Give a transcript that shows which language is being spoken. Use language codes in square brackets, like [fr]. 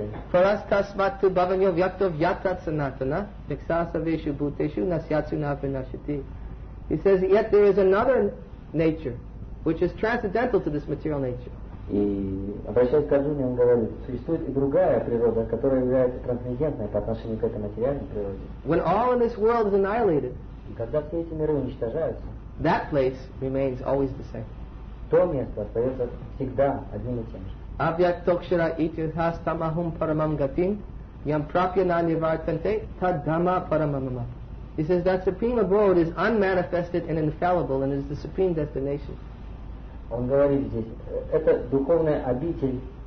[en] For us [sa] tasmat tu bhavanyo vyaktav yata sanatana viksasa vishu bhuteshu nasyatsu navinashati. [en] He says, yet there is another nature which is transcendental to this material nature. [ru] И обращаясь к Арджуне, он говорит, существует и другая природа, которая является трансцендентной по отношению к этой материальной природе. [en] When all in this world is annihilated, [ru] и когда все эти миры уничтожаются, [en] that place remains always the same. [ru] То место остается всегда одним и тем же. [sa] Avyaktokshara ityuthas tamahum paramam gatim yam prapyana nirvartante tad dhamma paramamama. [en] He says that supreme abode is unmanifested and infallible and is the supreme destination. [ru] Он говорит здесь, это духовная обитель